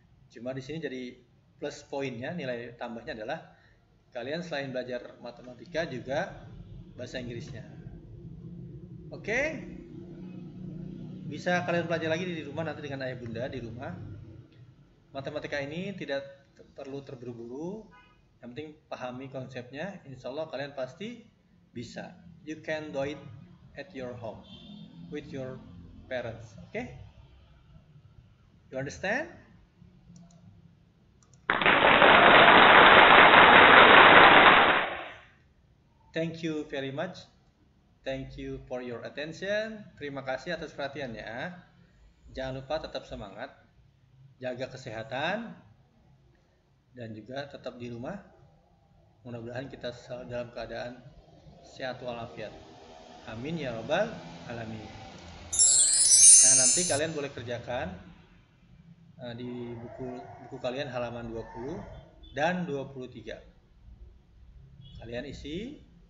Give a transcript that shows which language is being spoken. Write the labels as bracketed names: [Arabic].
[Indonesian] Cuma di sini jadi plus poinnya, nilai tambahnya adalah kalian selain belajar matematika juga bahasa Inggrisnya. Oke? Bisa kalian pelajari lagi di rumah nanti dengan ayah bunda di rumah. Matematika ini tidak perlu terburu-buru. Yang penting pahami konsepnya, insya Allah kalian pasti bisa. [English] You can do it at your home with your parents, okay? You understand? Thank you very much. Thank you for your attention. [Indonesian] Terima kasih atas perhatiannya. Jangan lupa tetap semangat, jaga kesehatan, dan juga tetap di rumah. Mudah-mudahan kita selalu dalam keadaan sehat walafiat. [Arabic] Amin ya Rabbal Alamin. [Indonesian] Nah, nanti kalian boleh kerjakan di buku kalian halaman 20 dan 23. Kalian isi.